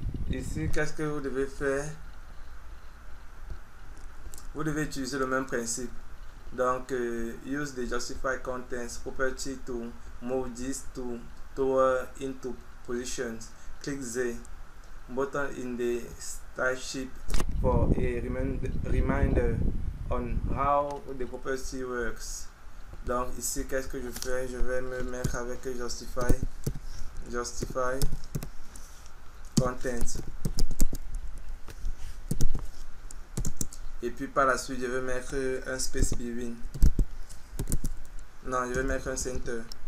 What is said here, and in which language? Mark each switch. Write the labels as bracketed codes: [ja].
[fr] Ici, qu'est-ce que vous devez faire? Vous devez utiliser le même principe. Donc, [en] use the justify contents property to move this to tower into positions. Click the button in the starship for a reminder on how the property works. [fr] Donc, ici, qu'est-ce que je fais? Je vais me mettre avec justify contents. Et puis par la suite, je vais mettre un space between. Non, je vais mettre un center.